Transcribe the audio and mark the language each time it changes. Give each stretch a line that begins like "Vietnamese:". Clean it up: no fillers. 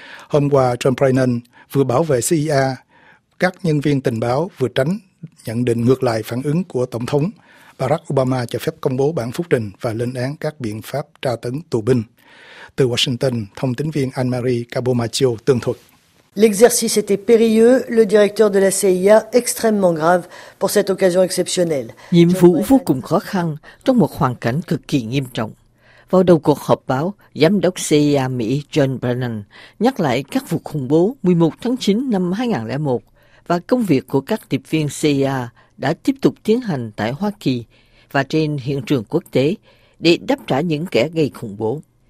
Vietnamese: Hôm qua, John Brennan vừa bảo vệ CIA, các nhân viên tình báo vừa tránh nhận định ngược lại phản ứng của Tổng thống. Barack Obama cho phép công bố bản phúc trình và lên án các biện pháp tra tấn tù binh. Từ Washington, thông tín viên Anne-Marie Cabomaccio tường thuật.
French: L'exercice était périlleux, le directeur de la CIA extrêmement grave pour cette occasion exceptionnelle.
Vietnamese: Nhiệm vụ vô cùng khó khăn trong một hoàn cảnh cực kỳ nghiêm trọng. Vào đầu cuộc họp báo, giám đốc CIA Mỹ John Brennan nhắc lại các vụ khủng bố 11 tháng 9 năm 2001 và công việc của các điệp viên CIA đã tiếp tục tiến hành tại Hoa Kỳ và trên hiện trường quốc tế để đáp trả những kẻ gây khủng bố.